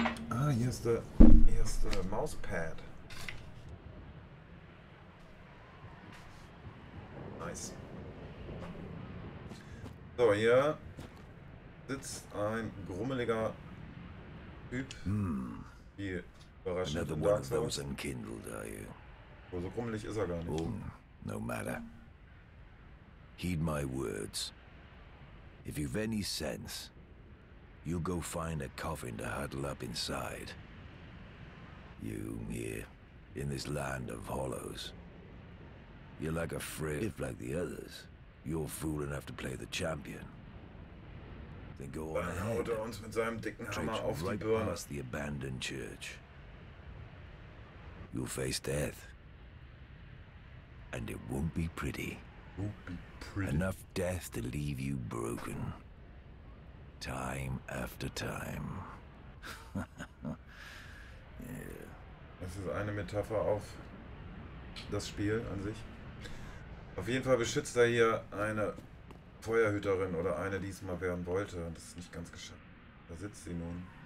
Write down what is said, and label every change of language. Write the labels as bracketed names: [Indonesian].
[German] Ah, hier ist der erste Mauspad. So, hier sitzt ein grummeliger Typ. Wie überraschend. [English] Another one of those enkindled, are you? [German] Oh, so grummelig ist er gar nicht. [English] Oh, no matter. Heed my words. If you've any sense, you'll go find a coffin to huddle up inside. You here in this land of hollows. You're like a frill. If like the others, you're fool enough to play the champion. Then go on ahead. [German] Uns mit seinem dicken Hammer auf die Birne. [English] Right past the abandoned church. You'll face death. And it won't be pretty. Won't be pretty. Enough death to leave you broken. Time after time. [German] Yeah. Das ist eine Metapher auf das Spiel an sich. Auf jeden Fall beschützt er hier eine Feuerhüterin oder eine, die es mal werden wollte. Und das ist nicht ganz geschafft. Da sitzt sie nun.